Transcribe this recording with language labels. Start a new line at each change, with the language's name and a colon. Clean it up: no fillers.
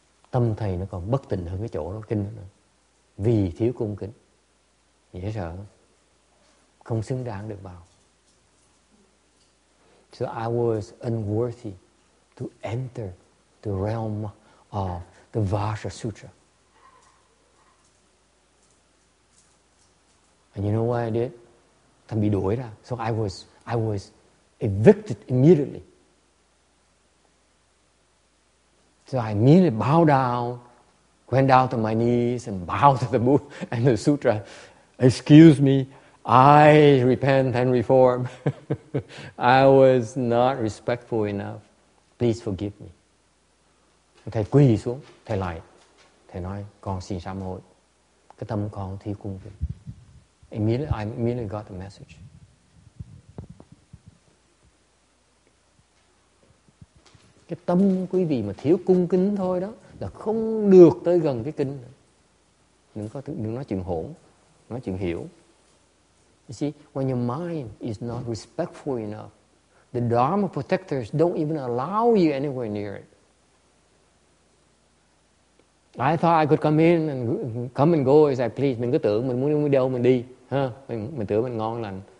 Vietnamese: Tâm thầy nó còn bất tịnh hơn cái chỗ nó kinh nữa. Vì thiếu cung kính, dễ sợ, không xứng đáng được vào.
English: So I was unworthy to enter the realm of the Vajra Sutra. And you know what I did?
Vietnamese: Thầy bị đuổi ra.
English: So I was evicted immediately. So I immediately bow down, went down to my knees and bowed to the Buddha and the Sutra. Excuse me, I repent and reform. I was not respectful enough. Please forgive me.
Vietnamese: Thầy quỳ xuống, thầy lại. Thầy nói, con xin sám hối. Cái tâm con thiếu cung kính.
English: I immediately got the message.
Vietnamese: Cái tâm quý vị mà thiếu cung kính thôi đó, là không được tới gần cái kinh. Đừng nói chuyện hỗn, nói chuyện hiểu.
English: You see, when your mind is not respectful enough, the Dharma protectors don't even allow you anywhere near it. I thought I could come in and come and go as I please.
Vietnamese: Mình cứ tưởng mình muốn đi đâu mình đi. Huh? Mình tưởng mình ngon lành.